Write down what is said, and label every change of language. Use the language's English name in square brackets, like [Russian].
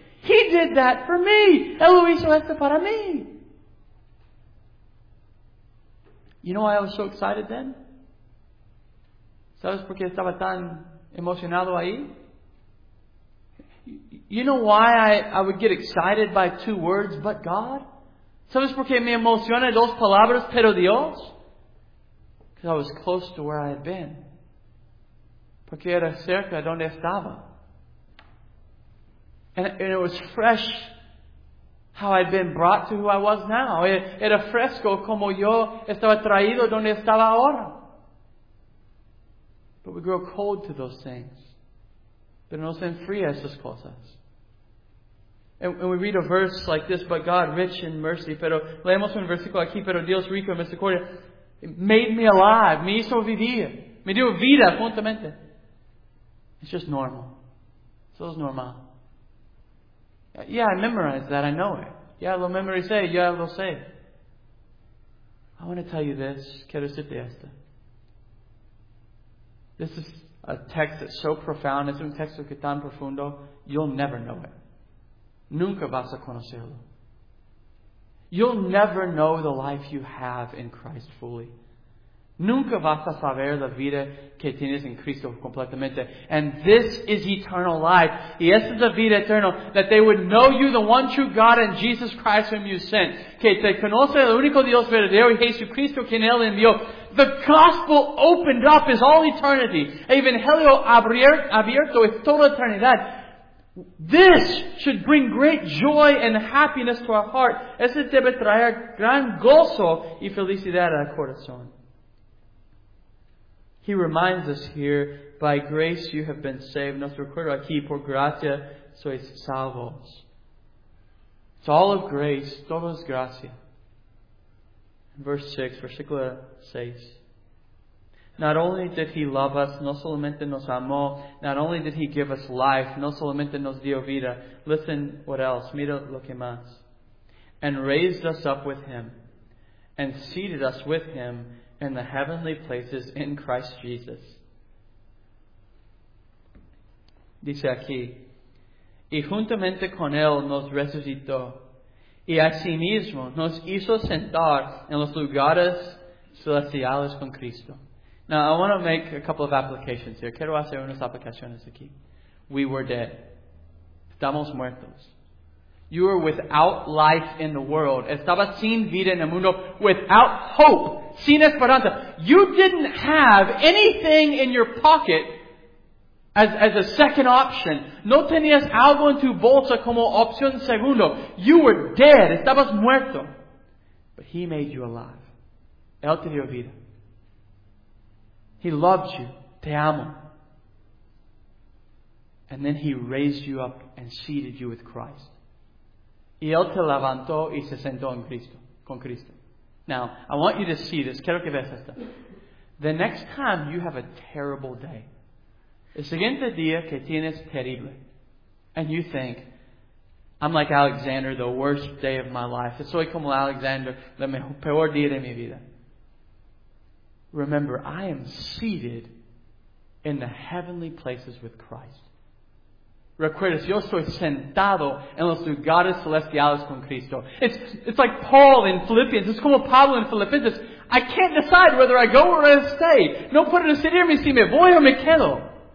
[English] He did that for me. [Spanish] Él lo hizo esto para mí. [English] You know why I was so excited then? [Spanish] ¿Sabes por qué estaba tan emocionado ahí? [English] You know why I would get excited by two words, but God? [Spanish] ¿Sabes por qué me emociona dos palabras, pero Dios? [English] Because I was close to where I had been. [Spanish] Porque era cerca donde estaba. [English] And it was fresh how I'd been brought to who I was now. [Spanish] Era fresco como yo estaba traído donde estaba ahora. [English] But we grow cold to those things. [Spanish] Pero no se enfría esas cosas. [English] And we read a verse like this, but God, rich in mercy, [Spanish] pero leemos un versículo aquí, pero Dios rico en misericordia, [English] made me alive, [Spanish] me hizo vivir, me dio vida juntamente. [English] It's just normal. So it's normal. Yeah, I memorized that. I know it. Yeah, [Spanish] lo memoricé. [English] Yeah, [Spanish] lo sé. [English] I want to tell you this. [Spanish] Quiero decirte esto. [English] This is a text that's so profound. [Spanish] Es un texto que tan profundo. [English] You'll never know it. [Spanish] Nunca vas a conocerlo. [English] You'll never know the life you have in Christ fully. [Spanish] Nunca vas a saber la vida que tienes en Cristo completamente. [English] And this is eternal life. [Spanish] Y esta es la vida eterna. [English] That they would know you, the one true God, and Jesus Christ whom you sent. [Spanish] Que te conoce el único Dios verdadero y Jesucristo quien Él envió. [English] The gospel opened up is all eternity. [Spanish] Evangelio abierto es toda eternidad. [English] This should bring great joy and happiness to our heart. [Spanish] Este debe traer gran gozo y felicidad al corazón. [English] He reminds us here, by grace you have been saved. [Spanish] Nos recuerda aquí, por gracia sois salvos. [English] It's all of grace, [Spanish] todo es gracia. Versículo 6. [English] Not only did He love us, [Spanish] no solamente nos amó, [English] not only did He give us life, [Spanish] no solamente nos dio vida. [English] Listen, what else? [Spanish] Mira lo que más. [English] And raised us up with Him, and seated us with Him, in the heavenly places in Christ Jesus. [Spanish] Dice aquí, y juntamente con Él nos resucitó, y asimismo nos hizo sentar en los lugares celestiales con Cristo. [English] Now, I want to make a couple of applications here. [Spanish] Quiero hacer unas aplicaciones aquí. [English] We were dead. [Spanish] Estamos muertos. [English] You were without life in the world. [Spanish] Estaba sin vida en el mundo, [English] without hope, [Spanish] sin esperanza. [English] You didn't have anything in your pocket as a second option. [Spanish] No tenías algo en tu bolsa como opción segundo. [English] You were dead. [Spanish] Estabas muerto. [English] But He made you alive. [Spanish] Él te dio vida. [English] He loved you. [Spanish] Te amo. [English] And then He raised you up and seated you with Christ. [Spanish] Y Él te levantó y se sentó en Cristo, con Cristo. [English] Now, I want you to see this. [Spanish] Quiero que veas esto. [English] The next time you have a terrible day, [Spanish] el siguiente día que tienes terrible, [English] and you think, I'm like Alexander, the worst day of my life. [Spanish] Soy como Alexander, el peor día de mi vida. [English] Remember, I am seated in the heavenly places with Christ. [Spanish] Recuerdas, yo soy sentado en los lugares celestiales con Cristo. [English] It's like Paul in Philippians. It's como Pablo in Philippians. I can't decide whether I go or I stay. [Spanish] No puedo decidir si me voy o me quedo.